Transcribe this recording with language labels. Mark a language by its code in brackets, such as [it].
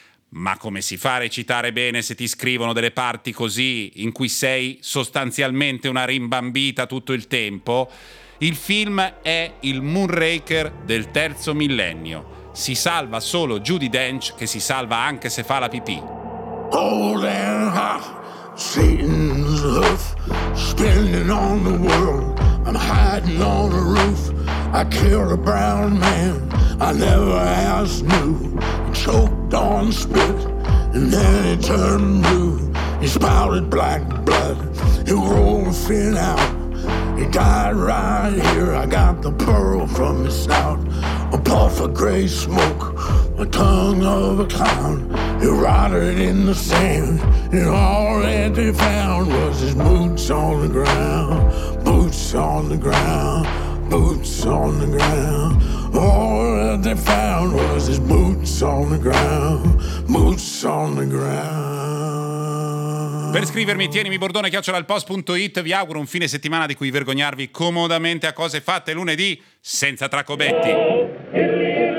[it] Ma come si fa a recitare bene se ti scrivono delle parti così, in cui sei sostanzialmente una rimbambita tutto il tempo? Il film è il Moonraker del terzo millennio. Si salva solo Judi Dench, che si salva anche se fa la pipì. [en] Holding high, Satan's hoof, spinning on the world, I'm hiding on a roof. I killed a brown man I never asked knew. He choked on spit and then he turned blue. He spouted black blood, he rolled a fin out. He died right here, I got the pearl from his snout. A puff of gray smoke, a tongue of a clown. He rotted in the sand, and all that they found was his boots on the ground. Boots on the ground, boots on the ground. All that they found was his boots on the ground. Boots on the ground. [it] Per scrivermi tienimi bordone @ilpost.it, vi auguro un fine settimana di cui vergognarvi comodamente a cose fatte lunedì senza tracobetti.